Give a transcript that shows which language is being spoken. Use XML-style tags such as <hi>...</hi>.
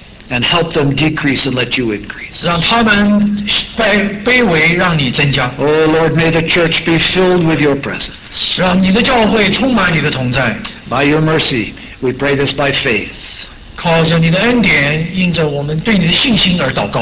<en>And help them decrease and let you increase.</en> <zh>让他们卑微，让你增加。</zh> <en>Oh Lord, may the church be filled with your presence.</en> <zh>让你的教会充满你的同在。</zh> <en>By your mercy, we pray this by faith.</en> <zh>靠着你的恩典，因着我们对你的信心而祷告。</zh>